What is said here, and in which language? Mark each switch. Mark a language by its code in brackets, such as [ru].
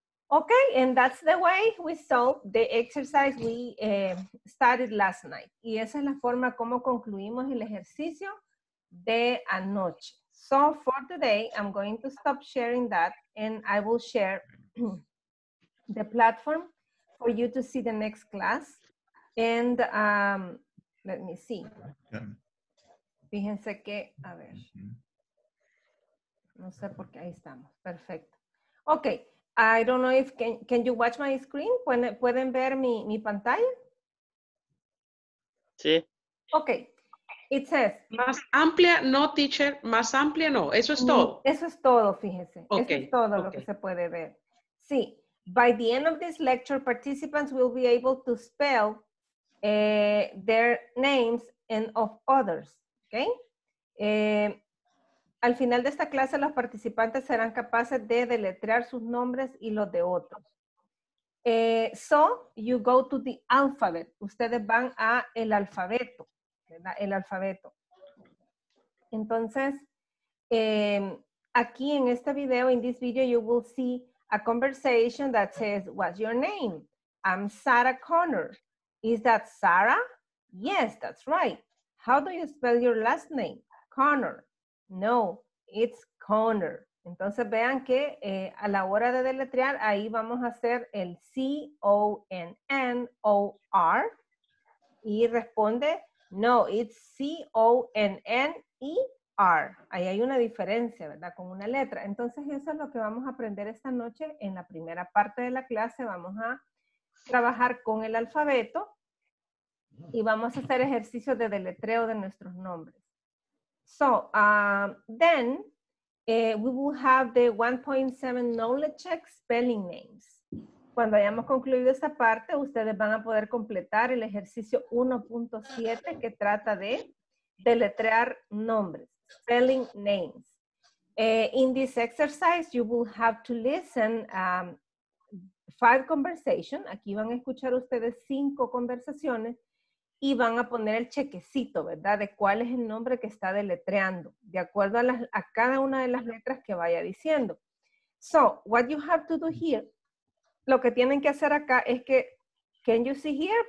[en] Okay, and that's the way we solved the exercise we started last night. [es] Y esa es la forma como concluimos el ejercicio de anoche. [en] So for today, I'm going to stop sharing that and I will share the platform for you to see the next class. And let me see. [es] Fíjense que, a ver, no sé por qué, ahí estamos, perfecto. [en] Ok, I don't know if, can you watch my screen? [es] ¿Pueden ver mi pantalla? Sí. [en] Ok, It says. [es] Más amplia, no, teacher, más amplia, no. Eso es todo. Eso es todo, fíjese. Okay. Eso es todo okay. Lo que se puede ver. Sí. [en] By the end of this lecture, participants will be able to spell their names and of others. Okay? [es] Al final de esta clase, los participantes serán capaces de deletrear sus nombres y los de otros. [en] So, you go to the alphabet. [es] Ustedes van a el alfabeto. ¿Verdad? El alfabeto. Entonces, aquí en este video, [en] in this video, you will see a conversation that says, what's your name? I'm Sarah Connor. Is that Sarah? Yes, that's right. How do you spell your last name? Connor. No, it's Connor. [es] Entonces vean que a la hora de deletrear, ahí vamos a hacer el C-O-N-N-O-R y responde, [en] no, it's [es] C-O-N-N-E-R. Ahí hay una diferencia, ¿verdad? Con una letra. Entonces eso es lo que vamos a aprender esta noche en la primera parte de la clase. Vamos a trabajar con el alfabeto y vamos a hacer ejercicios de deletreo de nuestros nombres. [en] So, then we will have the 1.7 knowledge check spelling names. [es] Cuando hayamos concluido esta parte, ustedes van a poder completar el ejercicio 1.7 que trata de deletrear nombres, spelling names. [en] In this exercise, you will have to listen five conversations. [es] Aquí van a escuchar ustedes cinco conversaciones y van a poner el chequecito, ¿verdad? De cuál es el nombre que está deletreando, de acuerdo a cada una de las letras que vaya diciendo. [en] So, what you have to do here, [es] lo que tienen que hacer acá es que, [en] can you see here?